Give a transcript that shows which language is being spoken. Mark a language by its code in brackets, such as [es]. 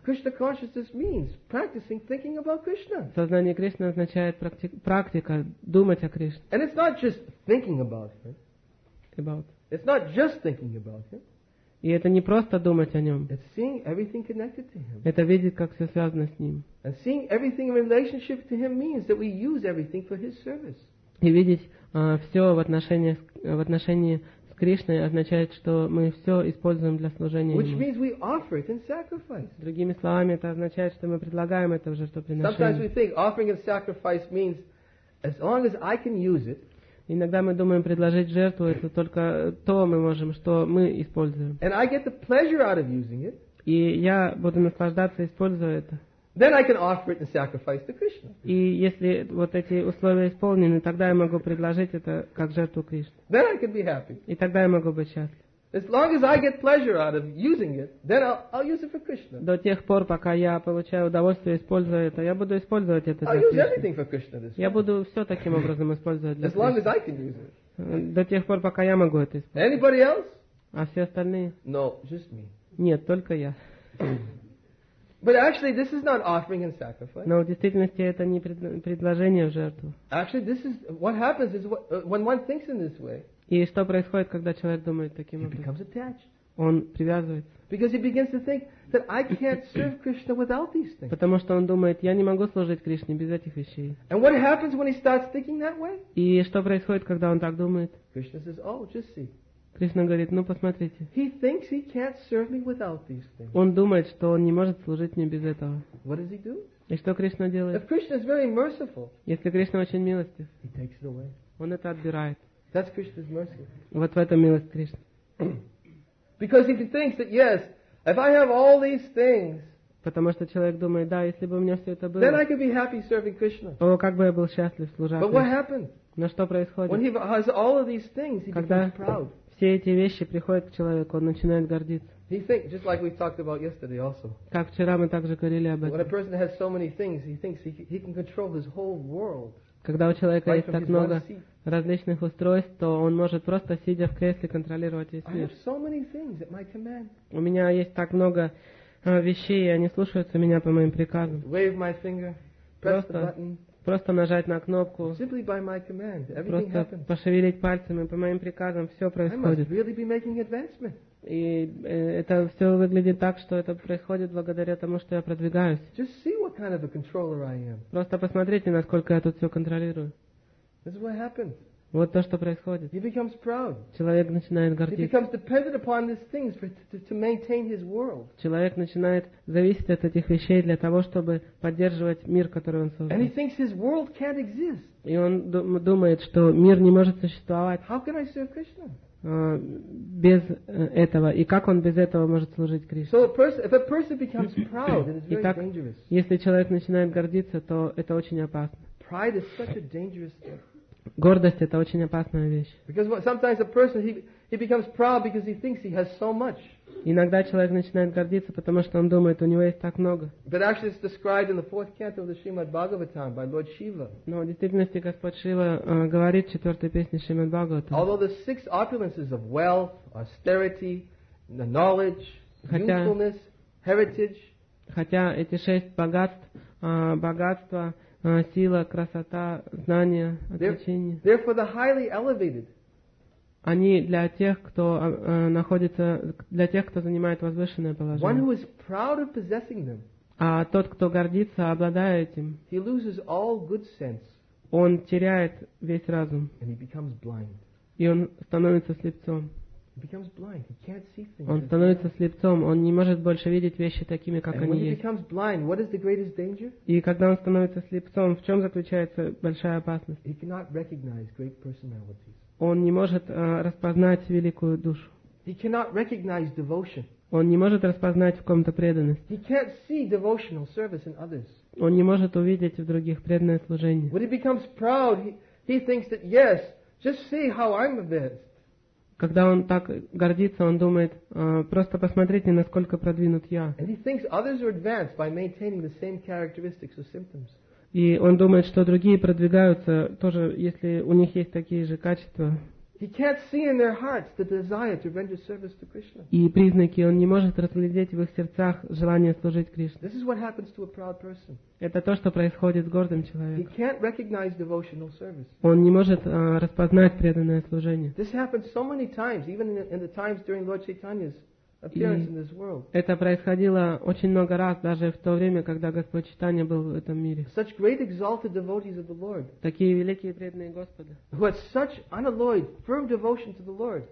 [en] Krishna consciousness means practicing thinking about Krishna. [ru] Сознание Кришны означает практика, думать о Кришне. [en] And it's not just thinking about him. It's not just thinking about him. [ru] И это не просто думать о нем. [en] It's seeing everything connected to him. [ru] Это видеть, как все связано с ним. [en] And seeing everything in relationship to him means that we use everything for his service. [ru] И видеть все в отношении с Кришной означает, что мы все используем для служения [en] Which [ru] ему. [en] Means we offer it in sacrifice. [ru] Другими словами, это означает, что мы предлагаем это в жертвоприношение. [en] Sometimes we think offering a sacrifice means as long as I can use it. [ru] Иногда мы думаем, предложить жертву это только то мы можем, что мы используем. [en] And I get the pleasure out of using it. [ru] И я буду наслаждаться, используя это. [en] Then I can offer it and sacrifice to Krishna. [ru] И если вот эти условия исполнены, тогда я могу предложить это как жертву Кришне. [en] Then I can be happy. [ru] И тогда я могу быть счастлив. [en] As long as I get pleasure out of using it, then I'll use it for Krishna. [ru] До тех пор, пока я получаю удовольствие, используя это, я буду использовать это. [en] I'll use everything for Krishna this way. [ru] Я буду все таким образом использовать для [en] As long as I can use it. [ru] До тех пор, пока я могу это использовать. [en] Anybody else? [ru] А все остальные? [en] No, just me. [ru] Нет, только я. [en] But actually, this is not offering and sacrifice. [ru] Но в действительности это не предложение в жертву. [en] Actually, this is what happens is when one thinks in this way. [ru] И что происходит, когда человек думает таким образом? Он привязывается. [en] Because he begins to think that I can't serve Krishna without these things. [ru] Потому что он думает, я не могу служить Кришне без этих вещей. [en] And what happens when he starts thinking that way? [ru] И что происходит, когда он так думает? [en] Krishna says, "Oh, just see." [ru] Кришна говорит, ну посмотрите. [en] He thinks he can't serve me without these things. [ru] Он думает, что он не может служить мне без этого. [en] What does he do? [ru] И что Кришна делает? [en] If Krishna is very merciful, [ru] если Кришна очень милостив, [en] he takes it away. [ru] Он это отбирает. [en] That's Krishna's mercy. [ru] Вот в этом милость Кришны. [en] Because if he thinks that yes, if I have all these things, [ru] потому что человек думает, да, если бы у меня все это было, [en] then I could be happy serving Krishna. [ru] О, как бы я был счастлив служа. [en] But what happened? [ru] Но что происходит? [en] When he has all of these things, he [ru] Когда [en] becomes proud. [ru] все эти вещи приходят к человеку, он начинает гордиться. [en] He thinks just like we talked about yesterday also. [ru] Как вчера мы также говорили об этом. [en] When a person has so many things, he thinks he can control his whole world. [ru] Когда у человека есть так много различных устройств, то он может просто сидя в кресле контролировать весь мир. [en] I have so many things at my command. [ru] У меня есть так много вещей, и они слушаются меня по моим приказам. [en] Wave my finger, press the button. [ru] Просто нажать на кнопку. [en] Simply by my command, everything [ru] просто [en] happens. [ru] Пошевелить пальцами, по моим приказам все происходит. [en] I must really be making advancement. [ru] И это все выглядит так, что это происходит благодаря тому, что я продвигаюсь. [en] Just see what kind of a controller I am. [ru] Просто посмотрите, насколько я тут все контролирую. [en] This is what happens. [ru] Вот то, что происходит. [en] He becomes proud. [ru] Человек начинает гордиться. [en] He becomes dependent upon these things to maintain his world. [ru] Человек начинает зависеть от этих вещей для того, чтобы поддерживать мир, который он создал. [en] And he thinks his world can't exist. [ru] И он думает, что мир не может существовать. [en] How can I serve Krishna? [ru] Без этого. И как он без этого может служить Кришне? [en] So if a person becomes proud, then it's very [ru] Итак, [en] dangerous. [ru] Если человек начинает гордиться, то это очень опасно. [en] Pride is such a dangerous thing. [ru] Гордость — это очень опасная вещь. [en] Because sometimes a person he becomes proud because he thinks he has so much. [ru] Иногда человек начинает гордиться, потому что он думает, у него есть так много. [en] But actually, it's described in the fourth canto of the Srimad Bhagavatam by Lord Shiva. [ru] Но в действительности Господь Шива говорит в четвертой песне Шримад Бхагаватам. [en] Although the six opulences of wealth, austerity, the knowledge, usefulness, heritage. [ru] Хотя эти шесть богатств, богатства. Сила, красота, знания, отречение. [en] Therefore, the highly elevated. [ru] Они для тех, кто находится, для тех, кто занимает возвышенное положение. [en] One who is proud of possessing them. [ru] А тот, кто гордится, обладая этим. [en] He loses all good sense. [ru] Он теряет весь разум. [en] And he becomes blind. [ru] И он становится слепцом. [en] He becomes blind. He can't see things. [ru] Он становится слепцом. Он не может больше видеть вещи такими, как они есть. [en] And when he becomes blind, what is the greatest danger? [ru] И когда он становится слепцом, в чем заключается большая опасность? [en] He cannot recognize great personalities. [ru] Он не может распознать великую душу. [en] He cannot recognize devotion. [ru] Он не может распознать в ком-то преданность. [en] He can't see devotional service in others. [ru] Он не может увидеть в других преданное служение. [en] When he becomes proud, he thinks that yes, just see how I'm the best. [ru] Когда он так гордится, он думает, просто посмотрите, насколько продвинут я. [en] And he thinks others are advanced by maintaining the same characteristics or symptoms. [ru] И он думает, что другие продвигаются тоже, если у них есть такие же качества. [en] He can't see in their hearts the desire to render service to Krishna. [ru] И признаки он не может разглядеть в их сердцах желание служить Кришне. [en] This is what happens to a proud person. [ru] Это то, что происходит с гордым человеком. [en] He can't recognize devotional service. [ru] Он не может распознать преданное служение. [en] This happens so many times, even in the times during Lord Chaitanya's appearance in this world. [ru] Это происходило очень много раз, даже в то время, когда Господь Чайтанья был в этом мире. [en] Such great exalted devotees of the Lord. [ru] Такие великие преданные Господа. [en] Who had such unalloyed firm devotion to the Lord.